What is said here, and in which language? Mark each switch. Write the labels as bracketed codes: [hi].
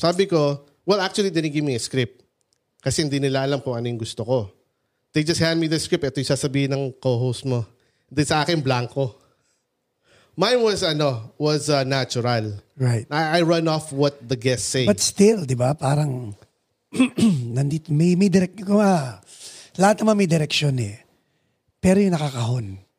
[tl] Sabi ko, [en] well actually they didn't give me a script. [tl] Kasi hindi nila alam kung ano yung gusto ko. [en] They just hand me the script. [tl] Ito yung sasabihin ng co-host mo. Then sa akin, blanco. [en] Mine was natural. Right. I run off what the guests say. But still, [tl] di ba? Parang, nandito, may direction. Kung, lahat naman may direction eh. Pero yung nakakahon.